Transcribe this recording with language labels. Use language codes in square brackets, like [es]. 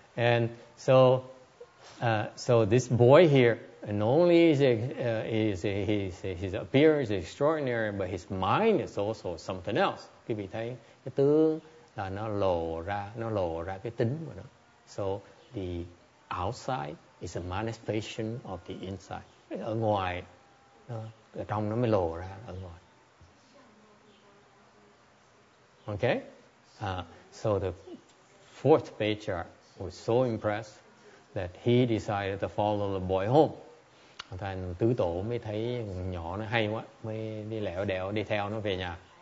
[en] And so, so this boy here, not only is his appearance extraordinary, but his mind is also something else. [vi] Quý vị thấy cái tướng là nó lộ ra cái tính của nó. [en] So the outside is a manifestation of the inside. [vi] Ở ngoài, ở trong nó mới lộ ra ở ngoài. [en] Okay, so the fourth patriarch was so impressed that he decided to follow the boy home. [vi] Thành tứ tổ mới thấy nhỏ nó hay quá, mới đi lẹo đẹo đi theo nó về nhà.